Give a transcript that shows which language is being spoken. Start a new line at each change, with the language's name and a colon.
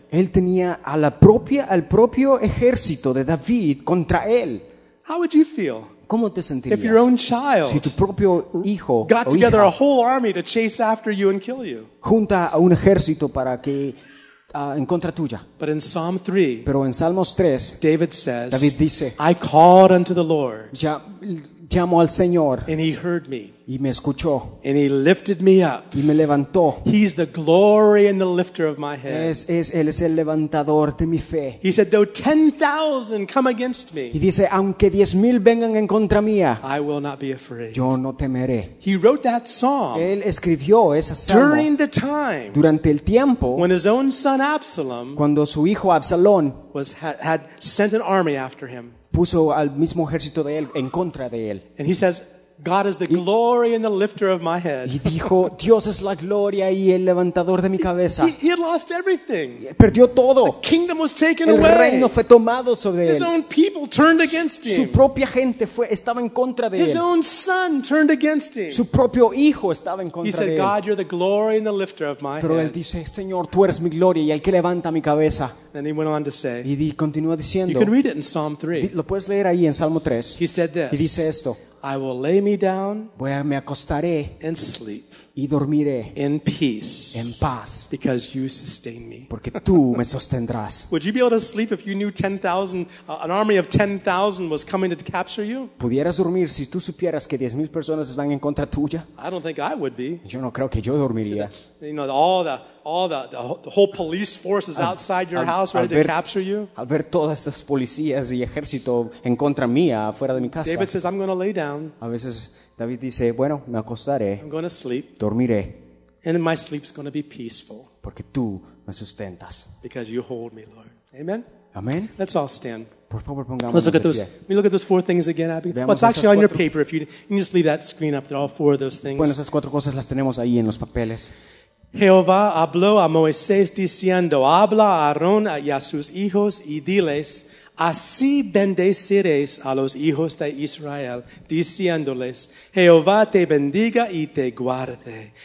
Spanish: Él tenía a la propia al propio ejército de David contra él.
English: How would you feel?
Spanish: ¿Cómo te sentirías?
English: If your own child
Spanish: si tu propio hijo
English: got together a whole army to chase after you and kill you.
Spanish: Junta a un ejército para que en contra tuya.
English: But in Psalm 3,
Spanish: pero en Salmos 3,
English: David says,
Spanish: David dice,
English: I called unto the Lord.
Spanish: Llamo al Señor.
English: And he heard me.
Spanish: Y me escuchó.
English: And he lifted me up.
Spanish: Y me levantó.
English: He's the glory and the lifter of my head.
Spanish: Él es el levantador de mi fe.
English: He said, though 10,000 come against me.
Spanish: Y dice, aunque 10,000 vengan en contra mía.
English: I will not be afraid.
Spanish: Yo no temeré.
English: He wrote that song.
Spanish: Él escribió esa salmo.
English: During the time.
Spanish: Durante el tiempo.
English: When his own son Absalom.
Spanish: Cuando su hijo Absalón.
English: Had sent an army after him.
Spanish: Puso al mismo ejército de él en contra de él.
English: And he says, God is the glory and the lifter of my head.
Spanish: Y dijo, Dios es la gloria y el levantador de mi cabeza.
English: He had lost everything.
Spanish: Perdió todo.
English: The kingdom was taken
Spanish: el
English: away.
Spanish: El reino fue tomado sobre
English: His
Spanish: él.
English: His own people turned against him.
Spanish: Su propia gente estaba en contra de
English: His
Spanish: él.
English: His own son turned against him.
Spanish: Su propio hijo estaba en contra
English: he
Spanish: de
English: He said, God, you're the glory and the lifter of my
Spanish: Pero
English: head.
Spanish: Pero él dice, Señor, tú eres mi gloria y el que levanta mi cabeza.
English: And he went on to say.
Spanish: Y continúa diciendo.
English: You can read it in Psalm 3.
Spanish: Lo puedes leer ahí en Salmo 3.
English: He said this.
Spanish: Y dice esto.
English: I will lay me down
Spanish: me acostaré
English: and sleep
Spanish: y dormiré
English: in peace
Spanish: en paz
English: because you sustain me.
Spanish: Porque tú me sostendrás.
English: Would you be able to sleep if you knew 10,000, an army of 10,000 was coming to capture you?
Spanish: ¿Pudieras dormir si tú supieras que 10,000 personas están en contra tuya?
English: I don't think I would be.
Spanish: Yo no creo que yo dormiría.
English: You know, all the whole police force is outside your house ready to capture you.
Spanish: Al ver todas estas policías y ejército en contra mía afuera de mi casa.
English: David says, I'm going to lay down.
Spanish: A veces David dice, bueno, me acostaré.
English: I'm going to sleep.
Spanish: Dormiré.
English: And my sleep's going to be peaceful.
Spanish: Porque tú me sustentas.
English: Because you hold me, Lord. Amen.
Spanish: Amen.
English: Let's all stand.
Spanish: Por favor, pongámonos de pie.
English: Let me look at those four things again, Abby. Well, it's actually on your paper. If you can just leave that screen up, there are all four of those things.
Spanish: Bueno, esas cuatro cosas las tenemos ahí en los papeles. Jehová habló a Moisés diciendo, habla a Aarón y a sus hijos y diles, así bendeciréis a los hijos de Israel, diciéndoles, Jehová te bendiga y te guarde.